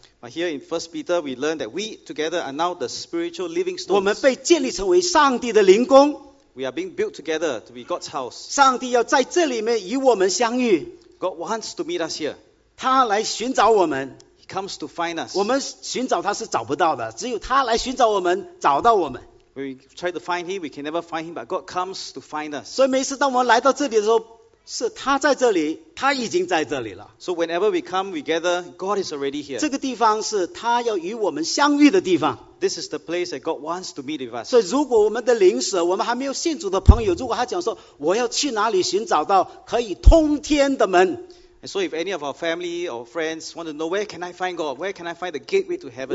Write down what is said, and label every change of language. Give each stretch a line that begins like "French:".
English: But here in 1 Peter, we learn that we together are now the spiritual living stones.
Chinese: 我们被建立成为上帝的灵宫。
English: We are being built together to be God's house.
Chinese: 上帝要在这里面与我们相遇。
English: God wants to meet us here.
Chinese: 他来寻找我们。
English: Comes to find us.
Chinese: 我们寻找他是找不到的, 只有他来寻找我们, 找到我们。
English: We try to find him, we can never find him, but God comes to find us.
Chinese: 所以每次当我们来到这里的时候, 是他在这里, 他已经在这里了。
English: So whenever we come, we gather, God is already here.
Chinese: 这个地方是他要与我们相遇的地方。
English: This is the place that God wants to meet with us.
Chinese: 所以如果我们的灵舍, 我们还没有信主的朋友, 如果他讲说, 我要去哪里寻找到, 可以通天的门。
English: And so if any of our family or friends want to know where can I find God, where can I find the gateway to heaven?